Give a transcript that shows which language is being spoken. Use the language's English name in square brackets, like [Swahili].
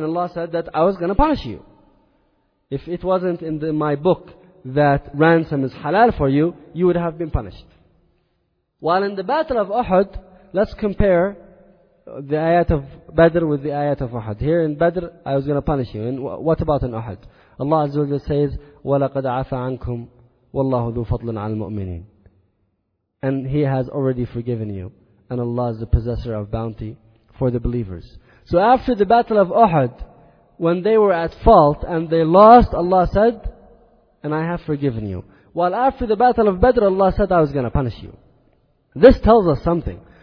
[English] And Allah said that I was going to punish you. If it wasn't in my book that ransom is halal for you, you would have been punished. While in the battle of Uhud, let's compare the ayat of Badr with the ayat of Uhud. Here in Badr, I was going to punish you. And what about in Uhud? [Arabic] Allah Azza wa Jalla says, وَلَقَدْ عَفَى عَنْكُمْ وَاللَّهُ ذُو فَضْلٍ عَلَى الْمُؤْمِنِينَ. [English] And He has already forgiven you. And Allah is the possessor of bounty for the believers. So after the battle of Uhud, when they were at fault and they lost, Allah said, and I have forgiven you. While after the battle of Badr, Allah said, I was going to punish you. This tells us something.